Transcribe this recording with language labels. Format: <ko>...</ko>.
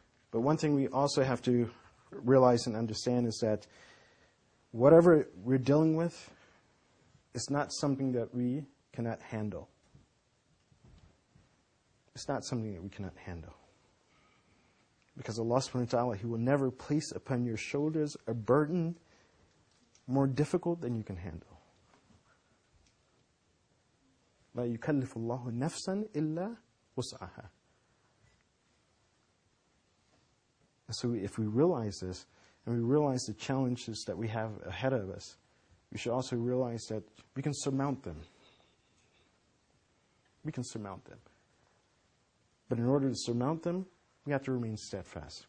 <en>But one thing we also have to realize and understand is that whatever we're dealing with is not something that we cannot handle. It's not something that we cannot handle. Because Allah subhanahu wa ta'ala, He will never place upon your shoulders a burden more difficult than you can handle.</en> <ar>لا يكلف الله نفسا إلا وسعها.</ar> <en>So if we realize this, and we realize the challenges that we have ahead of us, we should also realize that we can surmount them. We can surmount them. But in order to surmount them, we have to remain steadfast.</en>